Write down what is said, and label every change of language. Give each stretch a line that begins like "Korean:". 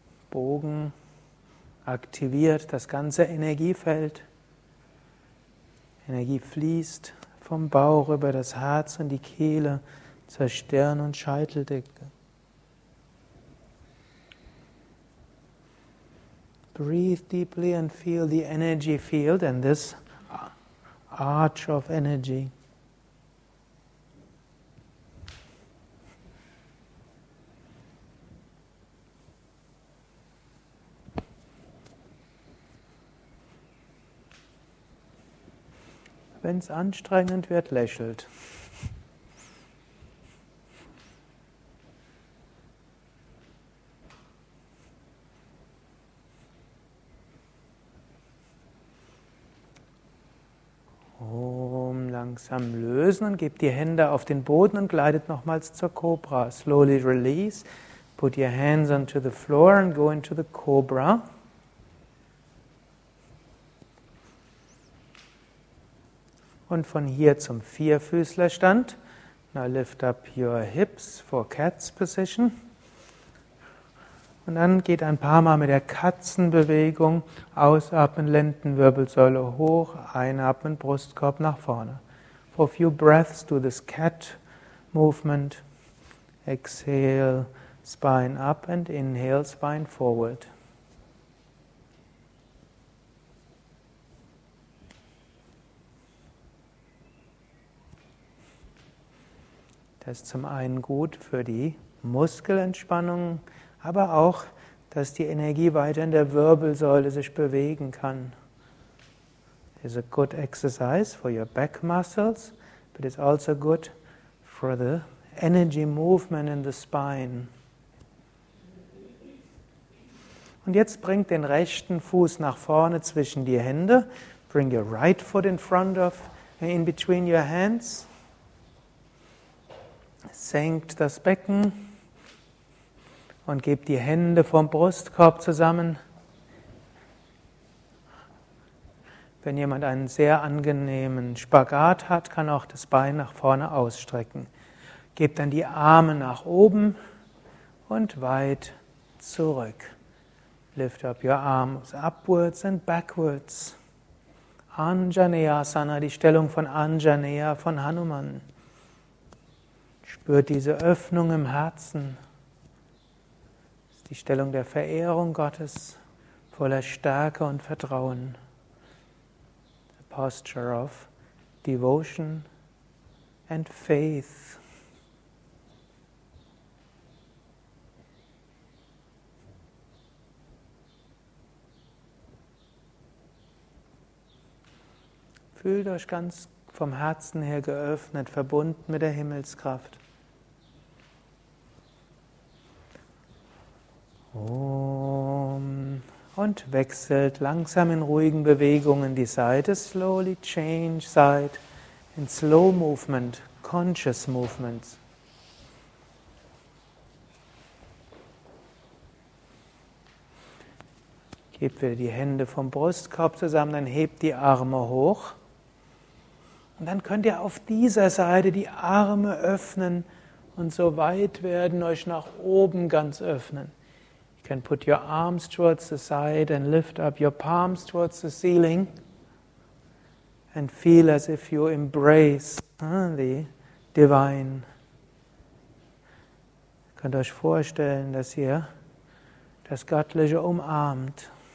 German: Bogen. Aktiviert das ganze Energiefeld. Energie fließt vom Bauch über das Herz und die Kehle zur Stirn und Scheiteldecke.
English: Breathe deeply and feel the energy field and this arch of energy.
German: Wenn es anstrengend wird, lächelt. Om, langsam lösen und gebt die Hände auf den Boden und gleitet nochmals zur Cobra.
English: Slowly release, put your hands onto the floor and go into the Cobra.
German: Und von hier zum Vierfüßlerstand.
English: Now lift up your hips for cat's position.
German: Und dann geht ein paar Mal mit der Katzenbewegung. Ausatmen, Lendenwirbelsäule hoch, einatmen, Brustkorb nach vorne.
English: For a few breaths, do this cat movement. Exhale, spine up and inhale, spine forward.
German: Das ist zum einen gut für die Muskelentspannung, aber auch, dass die Energie weiter in der Wirbelsäule sich bewegen kann.
English: It's a good exercise for your back muscles, but it's also good for the energy movement in the spine.
German: Und jetzt bringt den rechten Fuß nach vorne zwischen die Hände.
English: Bring your right foot in front of, in between your hands.
German: Senkt das Becken und gebt die Hände vom Brustkorb zusammen. Wenn jemand einen sehr angenehmen Spagat hat, kann auch das Bein nach vorne ausstrecken. Gebt dann die Arme nach oben und weit zurück.
English: Lift up your arms upwards and backwards.
German: Anjaneyasana, die Stellung von Anjaneya, von Hanuman. Spürt diese Öffnung im Herzen, die Stellung der Verehrung Gottes, voller Stärke und Vertrauen.
English: The posture of devotion and faith.
German: Fühlt euch ganz vom Herzen her geöffnet, verbunden mit der Himmelskraft. Om. und wechselt langsam in ruhigen Bewegungen die Seite.
English: Slowly change side in slow movement, conscious movements.
German: Gebt wieder die Hände vom Brustkorb zusammen, dann hebt die Arme hoch. Und dann könnt ihr auf dieser Seite die Arme öffnen und so weit werden, euch nach oben ganz öffnen.
English: You can put your arms towards the side and lift up your palms towards the ceiling and feel as if you embrace the divine.
German: Ihr könnt euch vorstellen, dass ihr das Göttliche umarmt.